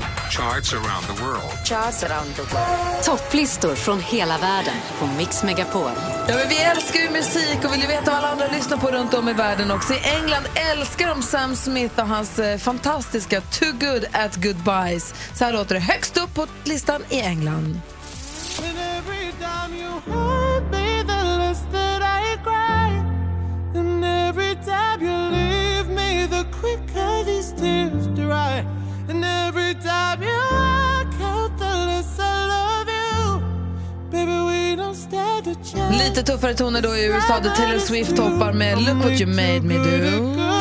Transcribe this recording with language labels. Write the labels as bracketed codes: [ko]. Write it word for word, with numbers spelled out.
[en] Charts around the world. Charts around the world. [sv] Topplistor från hela världen på Mix Megapol. Ja, men vi älskar ju musik och vill ju veta vad alla andra lyssnar på runt om i världen också. I England älskar de Sam Smith och hans eh, fantastiska Too Good at Goodbyes. Så här låter det högst upp på listan i England. [en] And every time you hurt me, the less that I cry. And every time you leave me, the quicker these tears dry. And every time you walk out, the less I love you. Baby, we don't stand a chance. [sv] Lite tuffare toner då i U S A, där Taylor Swift toppar med Look What You Made Me Do.